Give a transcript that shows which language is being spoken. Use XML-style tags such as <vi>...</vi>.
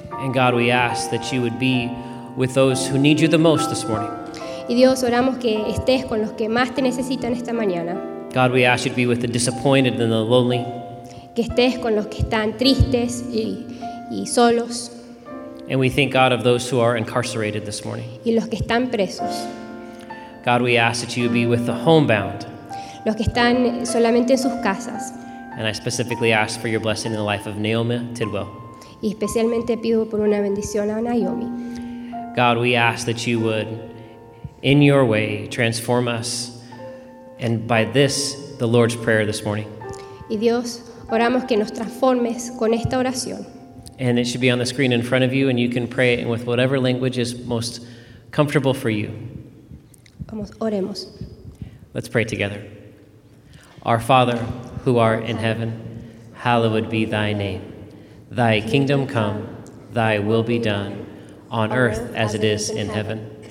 <en>And God, we ask that you would be with those who need you the most this morning.</en> <es>Y Dios, oramos que estés con los que más te necesitan esta mañana.</es> <en>God, we ask you to be with the disappointed and the lonely.</en> <es>Que estés con los que están tristes y solos.</es> <en>And we think, God, of those who are incarcerated this morning.</en> <es>Y los que están presos.</es> <en>God, we ask that you would be with the homebound.</en> <es>Los que están solamente en sus casas.</es> <en>And I specifically ask for your blessing in the life of Naomi Tidwell.</en> <es>Y especialmente pido por una bendición a Naomi.</es> <en>God, we ask that you would, in your way, transform us. And by this, the Lord's Prayer this morning.</en> <es>Y Dios, oramos que nos transformes con esta oración.</es> <en>And it should be on the screen in front of you, and you can pray it with whatever language is most comfortable for you.</en> <es>Vamos, oremos.</es> <en>Let's pray together. Our Father, who art in heaven, hallowed be thy name. Thy kingdom come, thy will be done, on earth as it is in heaven.</en>